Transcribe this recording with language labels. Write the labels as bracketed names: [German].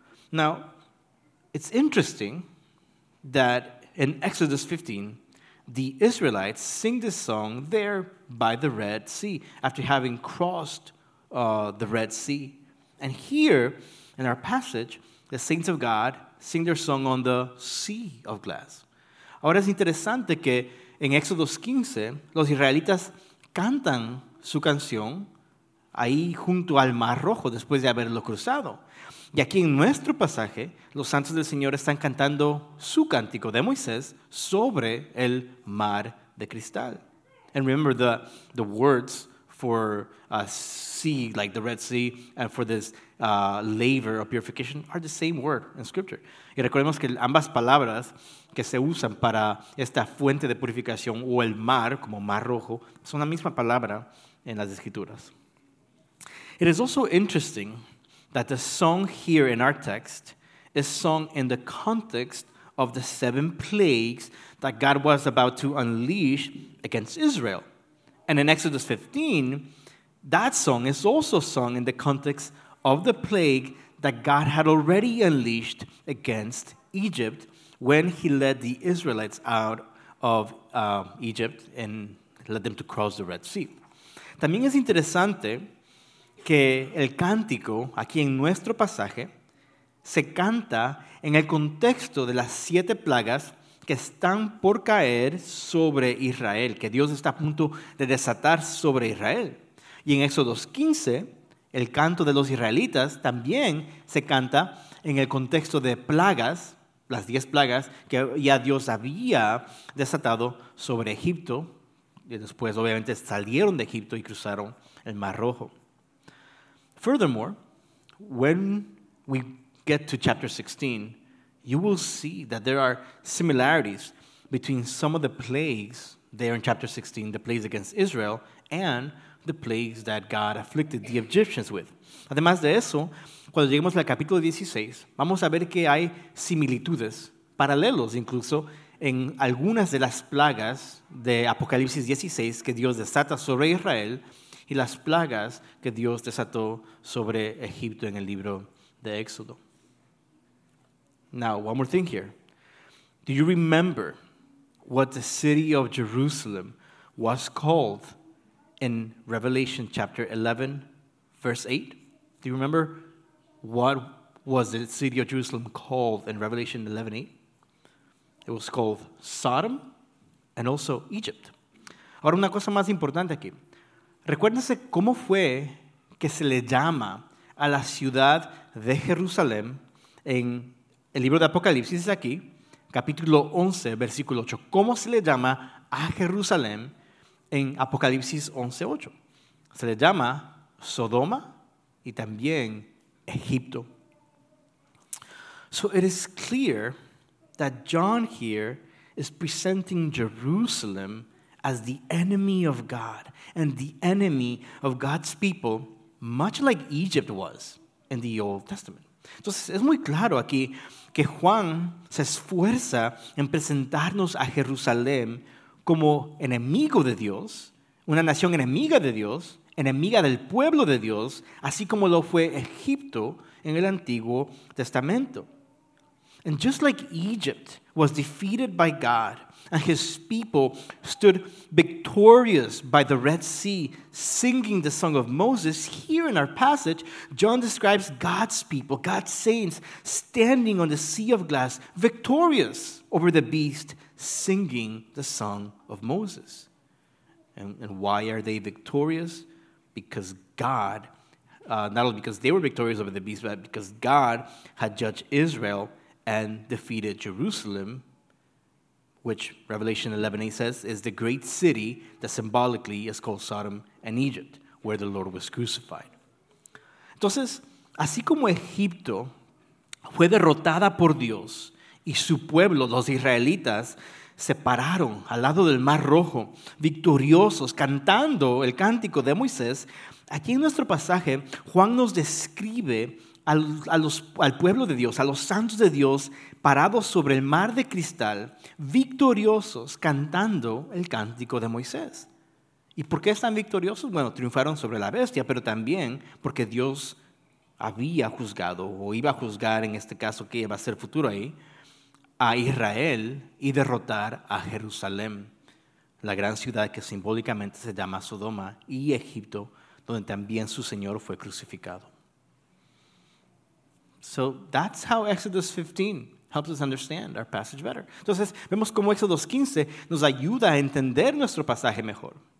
[English] Now, it's interesting that in Exodus 15, the Israelites sing this song there by the Red Sea, after having crossed the Red Sea. And here, in our passage, the saints of God sing their song on the Sea of Glass. [Spanish] Ahora es interesante que en Éxodos 15, los israelitas cantan su canción ahí junto al Mar Rojo, después de haberlo cruzado. Y aquí en nuestro pasaje, los santos del Señor están cantando su cántico de Moisés sobre el mar de cristal. [English] And remember the words for a sea, like the Red Sea, and for this laver of purification are the same word in Scripture. [Spanish] Y recordemos que ambas palabras que se usan para esta fuente de purificación o el mar, como Mar Rojo, son la misma palabra en las Escrituras. [English] It is also interesting that the song here in our text is sung in the context of the seven plagues that God was about to unleash against Israel. And in Exodus 15, that song is also sung in the context of the plague that God had already unleashed against Egypt when he led the Israelites out of Egypt and led them to cross the Red Sea. [Spanish] También es interesante que el cántico aquí en nuestro pasaje se canta en el contexto de las siete plagas que están por caer sobre Israel, que Dios está a punto de desatar sobre Israel. Y en Éxodos 15, el canto de los israelitas también se canta en el contexto de plagas, las diez plagas que ya Dios había desatado sobre Egipto, y después obviamente salieron de Egipto y cruzaron el Mar Rojo. [English] Furthermore, when we get to chapter 16, you will see that there are similarities between some of the plagues there in chapter 16, the plagues against Israel, and the plagues that God afflicted the Egyptians with. [Spanish] Además de eso, cuando lleguemos al capítulo 16, vamos a ver que hay similitudes, paralelos incluso, en algunas de las plagas de Apocalipsis 16 que Dios desata sobre Israel y las plagas que Dios desató sobre Egipto en el libro de Éxodo. [English] Now, one more thing here. Do you remember what the city of Jerusalem was called in Revelation chapter 11, verse 8? Do you remember what was the city of Jerusalem called in Revelation 11, 8? It was called Sodom and also Egypt. [Spanish] Ahora, una cosa más importante aquí. Recuérdense cómo fue que se le llama a la ciudad de Jerusalén en el libro de Apocalipsis, aquí, capítulo 11, versículo 8. ¿Cómo se le llama a Jerusalén en Apocalipsis 11, 8? Se le llama Sodoma y también Egipto. [English] So it is clear that John here is presenting Jerusalem as the enemy of God and the enemy of God's people, much like Egypt was in the Old Testament. [Spanish] Entonces, es muy claro aquí que Juan se esfuerza en presentarnos a Jerusalén como enemigo de Dios, una nación enemiga de Dios, enemiga del pueblo de Dios, así como lo fue Egipto en el Antiguo Testamento. [English] And just like Egypt was defeated by God, and his people stood victorious by the Red Sea, singing the song of Moses. Here in our passage, John describes God's people, God's saints, standing on the sea of glass, victorious over the beast, singing the song of Moses. And why are they victorious? Because God, not only because they were victorious over the beast, but because God had judged Israel and defeated Jerusalem, which Revelation 11:8 says is the great city that symbolically is called Sodom and Egypt. where the Lord was crucified. [Spanish] Entonces, así como Egipto fue derrotada por Dios y su pueblo, los israelitas, se pararon al lado del Mar Rojo, victoriosos, cantando el cántico de Moisés, aquí en nuestro pasaje, Juan nos describe al pueblo de Dios, a los santos de Dios, parados sobre el mar de cristal, victoriosos, cantando el cántico de Moisés. ¿Y por qué están victoriosos? Bueno, triunfaron sobre la bestia, pero también porque Dios había juzgado, o iba a juzgar en este caso, que iba a ser futuro ahí, a Israel y derrotar a Jerusalén, la gran ciudad que simbólicamente se llama Sodoma, y Egipto, donde también su Señor fue crucificado. [English] So that's how Exodus 15 helps us understand our passage better. [Spanish] Entonces, vemos cómo Exodus 15 nos ayuda a entender nuestro pasaje mejor.